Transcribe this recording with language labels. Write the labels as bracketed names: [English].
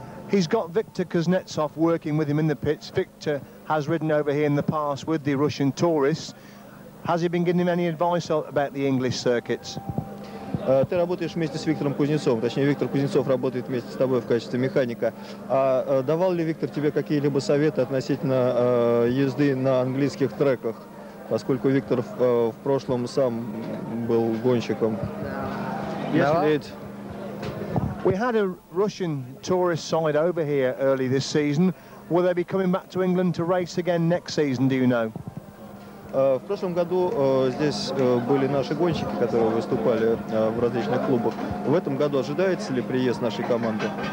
[English] He's got Viktor Kuznetsov working with him in the pits. Viktor has ridden over here in the past with the Russian tourists. Has he been giving him any advice about the English circuits? [Russian] Ты работаешь вместе с Виктором Кузнецовым, точнее, Виктор Кузнецов работает вместе с тобой в качестве механика. А давал ли Виктор тебе какие-либо советы относительно езды на английских треках, поскольку Виктор в прошлом сам был гонщиком? [English] Yes, he did. We had a Russian tourist side over here early this season. Will they be coming back to England to race again next season, do you know? [Russian] В прошлом году здесь были наши гонщики, которые выступали в различных клубах. В этом году ожидается ли приезд нашей команды?